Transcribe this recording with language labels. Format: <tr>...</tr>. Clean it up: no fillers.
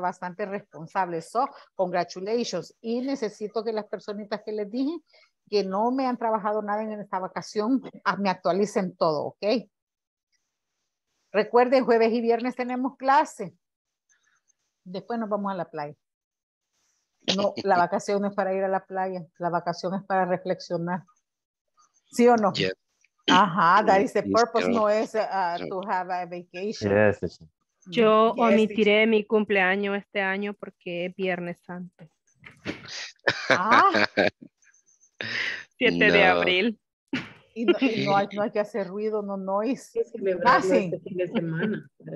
<es>Bastante responsables.</es> <en>So, congratulations.</en> <es>Y necesito que las personitas que les dije que no me han trabajado nada en esta vacación, me actualicen todo, ¿ok? Recuerden, jueves y viernes tenemos clase. Después nos vamos a la playa. No, la vacación no es para ir a la playa. La vacación es para reflexionar. ¿Sí o no?</es> <en>Yeah. Ajá, that is the purpose,</en> <es>no es</es> <en>to have a vacation. Yes.</en> <es>Yo omitiré mi cumpleaños este año porque es Viernes Santo. Ah. 7 no. de abril. Y no, no hay que hacer ruido,</es> <en>no noise.</en> <es>Ah, sí. Este fin de semana.</es>